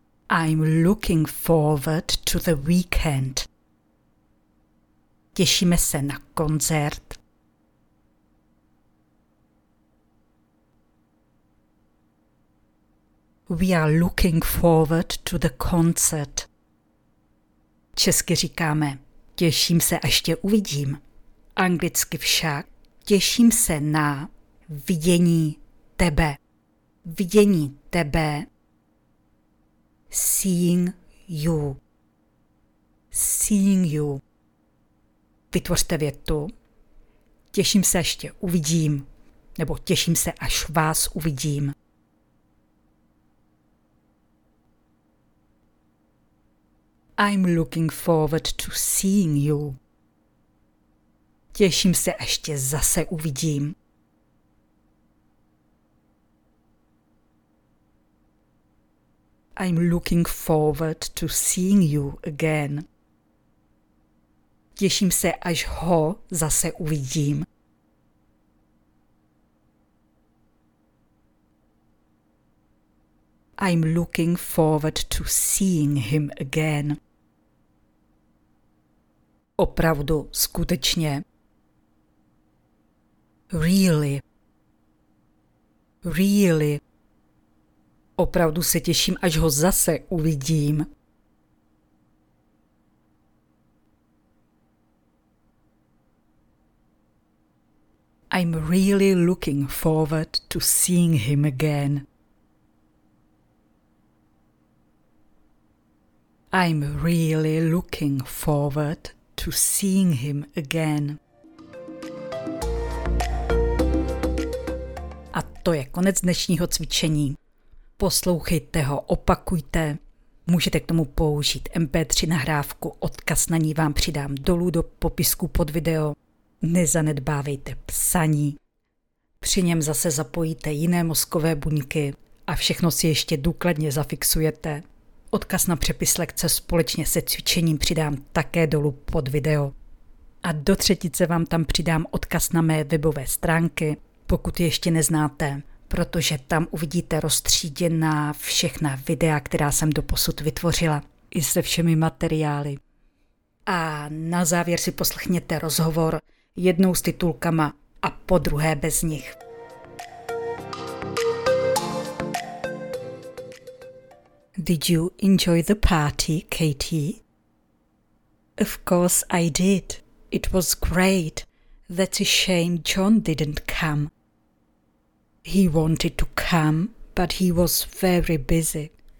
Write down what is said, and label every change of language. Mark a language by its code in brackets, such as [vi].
[en] I'm looking forward to the weekend. [cs] Těšíme se na koncert. [en] We are looking forward to the concert. [cs] Česky říkáme, těším se, až tě uvidím. Anglicky však, těším se na vidění tebe. Vidění tebe. [en] Seeing you. Seeing you. [cs] Vytvořte větu. Těším se, až tě uvidím. Nebo těším se, až vás uvidím. [en] I'm looking forward to seeing you. [cs] Těším se, až tě zase uvidím. [en] I'm looking forward to seeing you again. [cs] Těším se, až ho zase uvidím. [en] I'm looking forward to seeing him again. [cs] Opravdu, skutečně. [en] Really. Really. [cs] Opravdu se těším, až ho zase uvidím. [en] I'm really looking forward to seeing him again. I'm really looking forward to seeing him again. [cs] A to je konec dnešního cvičení. Poslouchejte ho, opakujte. Můžete k tomu použít MP3 nahrávku, odkaz na ní vám přidám dolů do popisku pod video. Nezanedbávejte psaní. Při něm zase zapojíte jiné mozkové buňky a všechno si ještě důkladně zafixujete. Odkaz na přepis lekce společně se cvičením přidám také dolů pod video. A do třetice vám tam přidám odkaz na mé webové stránky, pokud ještě neznáte, protože tam uvidíte roztříděná všechna videa, která jsem doposud vytvořila, i se všemi materiály. A na závěr si poslechněte rozhovor jednou s titulkama a po druhé bez nich. [en] Did you enjoy the party, Katie? Of course I did. It was great. That's a shame John didn't come. He wanted to come, but he was very busy.